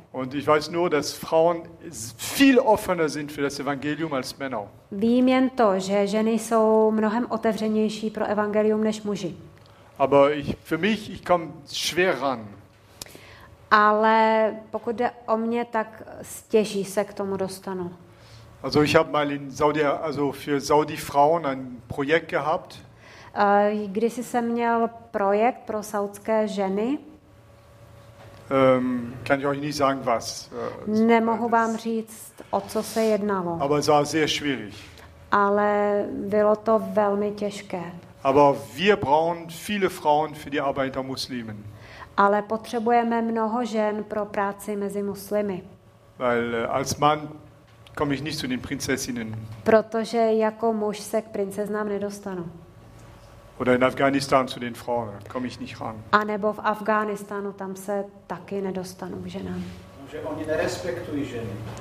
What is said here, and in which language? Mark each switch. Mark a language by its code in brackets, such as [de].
[de] Und ich weiß nur, dass Frauen viel offener sind für das Evangelium als Männer. [cs] Vím jen to, že ženy jsou mnohem otevřenější pro evangelium než muži. [de] Aber ich komme schwer ran. [cs] Ale pokud jde o mě, tak stěží se k tomu dostanu. [de] Also ich habe mal in Saudi, also für Saudi Frauen ein Projekt gehabt. [cs] Když jsi měl projekt pro saudské ženy? [de] Kann ich euch nicht sagen, was. [cs] Nemohu vám říct, o co se jednalo. [de] Aber es war sehr schwierig. [cs] Ale bylo to velmi těžké. [de] Aber wir brauchen viele Frauen für die Arbeit der Muslimen. [cs] Ale potřebujeme mnoho žen pro práci mezi muslimy. [de] Weil als Mann komme ich nicht zu den Prinzessinnen. [cs] Protože jako muž se k princeznám nedostanu. [de] Oder in Afghanistan zu den Frauen, komme ich nicht ran. [cs] A nebo v Afghánistánu, tam se taky nedostanu k ženám. Možná že oni nerespektují ženy.